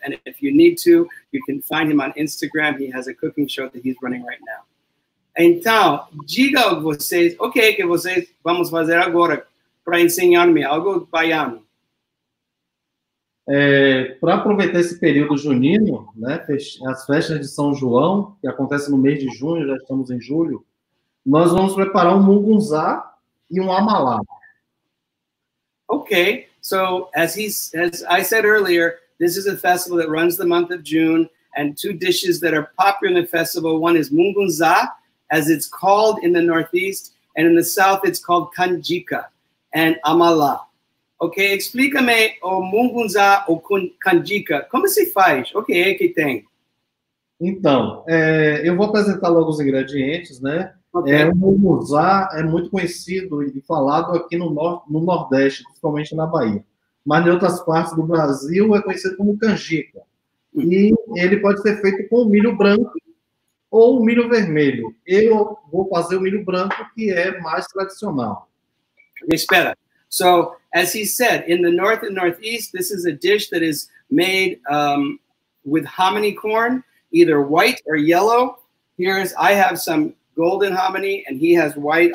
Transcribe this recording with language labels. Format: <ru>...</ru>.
<en>And if you need to, you can find him on Instagram. He has a cooking show that he's running right now.</en> <pt>Então, diga a vocês, ok, que vocês vamos fazer agora para ensinar-me algo baiano. Para aproveitar esse período junino, né, as festas de São João, que acontecem no mês de junho, já estamos em julho, nós vamos preparar um mungunzá e um amalá.</pt> <en>Ok, so as I said earlier, this is a festival that runs the month of June, and two dishes that are popular in the festival, one is mungunzá, as it's called in the Northeast, and in the South it's called canjica, and amalá.</en> <pt>Ok, explica-me o mungunzá ou canjica. Como se faz? O que é que tem? Então, eu vou apresentar logo os ingredientes, né? Okay. O mungunzá é muito conhecido e falado aqui no Nordeste, principalmente na Bahia. Mas em outras partes do Brasil é conhecido como canjica. E ele pode ser feito com milho branco ou milho vermelho. Eu vou fazer o milho branco, que é mais tradicional. Espera.</pt> <en>So, as he said, in the north and northeast, this is a dish that is made with hominy corn, either white or yellow. Here's, I have some golden hominy, and he has white.</en>